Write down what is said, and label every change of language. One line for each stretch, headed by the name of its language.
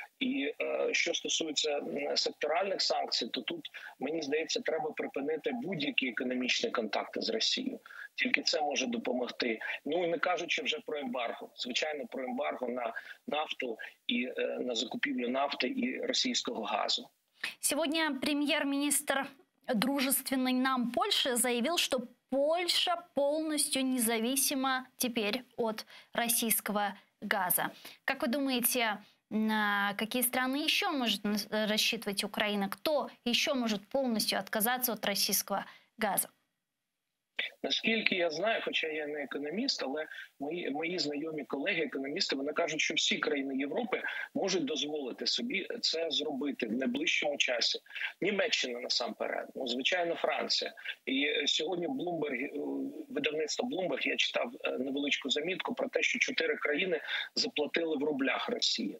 Ukrainian: І що стосується секторальних санкцій, то тут, мені здається, треба припинити будь-які економічні контакти з Росією. Тільки це може допомогти. Ну і не кажучи вже про ембарго. Звичайно, про ембарго на нафту і на закупівлю нафти і російського газу.
Russian: Сегодня премьер-министр дружественной нам Польши заявил, что Польша полностью независима теперь от российского газа. Как вы думаете, на какие страны еще может рассчитывать Украина? Кто еще может полностью отказаться от российского газа?
Ukrainian: Наскільки я знаю, хоча я не економіст, але мої знайомі колеги-економісти, вони кажуть, що всі країни Європи можуть дозволити собі це зробити в найближчому часі. Німеччина насамперед, ну, звичайно, Франція. І сьогодні Bloomberg, видавництво Bloomberg, я читав невеличку замітку про те, що 4 країни заплатили в рублях Росії.